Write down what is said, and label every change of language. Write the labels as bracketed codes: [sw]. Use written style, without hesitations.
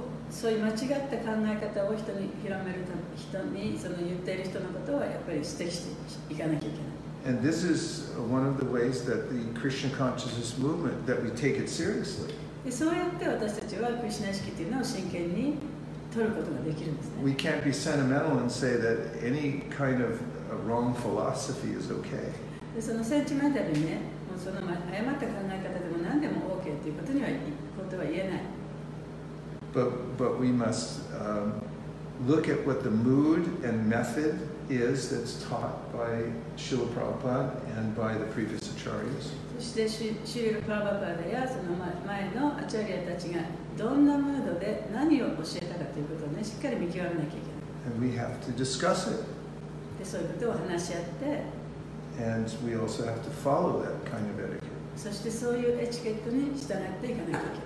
[ja] そういう間違った考え方を人に広める人にその言っている人のことはやっぱり指摘していかなきゃいけない。 [en] And this is one of the ways that the Krishna consciousness movement that we take it seriously. [ja] そうやって私たちはクリシナ意識というのを真剣に取ることができるんですね。 [en] We can't be sentimental and say that any kind of wrong philosophy is okay. [ja] でそのセンチメンタルにね、もうその誤った考え方でも何でも OK ということにはことは言えない。 [en] But we must look at what the mood and method is that's taught by Śrīla Prabhupāda and by the previous acharyas. [ja] そして Śrīla Prabhupāda やその前のアチャリアたちがどんなムードで何を教えたかということをねしっかり見極めなきゃいけない。 [en] And we have to discuss it. [ja] でそういうことを話し合って。 [en] And we also have to follow that kind of etiquette. [ja] そしてそういうエチケットに従っていかなきゃいけない。